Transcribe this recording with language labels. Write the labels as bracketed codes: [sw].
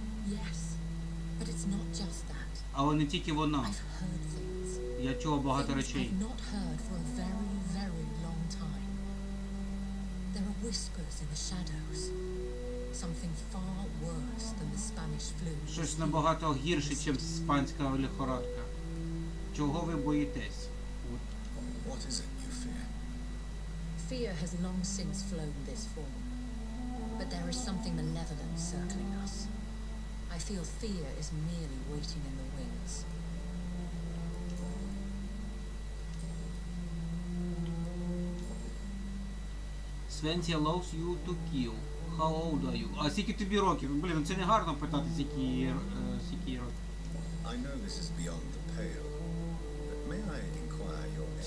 [en] Yes. But it's not just that. [uk] Але не тільки вона. [en] I've heard things. [uk] Я чув багато речей. [en] I've not heard for a very, very long time. There are whispers in the shadows. Something far worse than the Spanish flu. [uk] Щось набагато гірше, ніж іспанська лихорадка. Чого ви боїтесь? [en] What is it you fear? Fear has long since flown this form. But there is something malevolent circling us. I feel fear is merely waiting in the wings. Свенція loves you to kill. How old are you? [uk] А скільки тобі років? Блін, це не гарно питати, скільки років. [en] I know this is beyond the pale, but may I inquire your name?